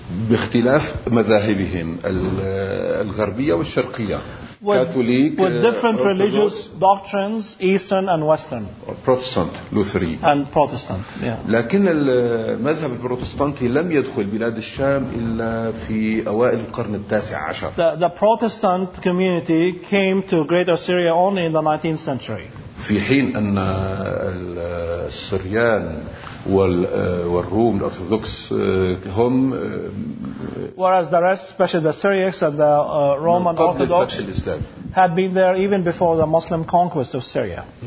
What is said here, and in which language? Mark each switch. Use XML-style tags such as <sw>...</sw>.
<ar>باختلاف مذاهبهم الغربية والشرقية.</ar> <en>With different religious doctrines, Eastern and Western. Protestant, Lutheran. And Protestant. Yeah.</en> <ar>لكن المذهب البروتستانتي لم يدخل بلاد الشام إلا في أوائل القرن التاسع عشر.</ar> <en>The Protestant community came to Greater Syria only in the 19th century.</en> <ar>في حين أن السريان والروم الأرثوذكس هم</ar> <en>whereas the rest, especially the Syriacs and the Roman Orthodox had been there even before the Muslim conquest of Syria.</en>